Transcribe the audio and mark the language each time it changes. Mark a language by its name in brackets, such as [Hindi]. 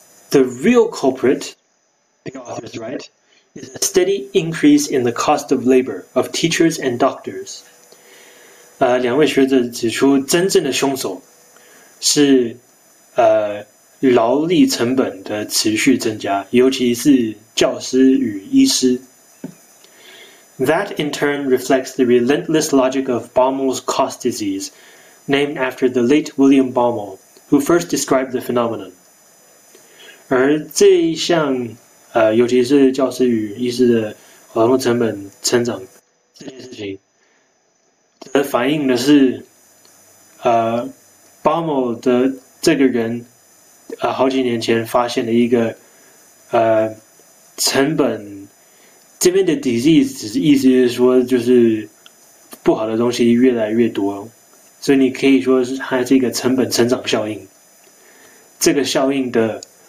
[English] The real culprit, the authors write, is a steady increase in the cost of labor of teachers and doctors。 [Chinese] 两位学者指出，真正的凶手是劳力成本的持续增加，尤其是教师与医师。 [English] That in turn reflects the relentless logic of Baumol's cost disease, named after the late William Baumol, who first described the phenomenon。 [Chinese] 而这一项，尤其是教师与医师的劳动成本成长这件事情，则反映的是，Baumol 的这个人，好几年前发现的一个，成本这边的 disease 只是意思是说就是不好的东西越来越多，所以你可以说是它这个成本成长效应，这个效应的，